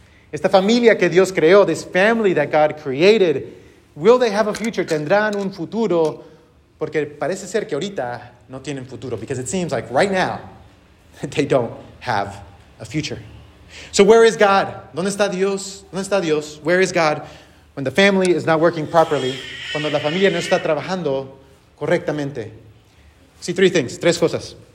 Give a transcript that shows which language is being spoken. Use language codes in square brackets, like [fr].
[en] Esta familia que Dios creó, this family that God created, will they have a future? [es] ¿Tendrán un futuro? Porque parece ser que ahorita no tienen futuro. [en] Because it seems like right now, they don't have a future. So where is God? ¿Dónde está Dios? ¿Dónde está Dios? Where is God when the family is not working properly? [es] Cuando la familia no está trabajando correctamente. See, three things, tres cosas.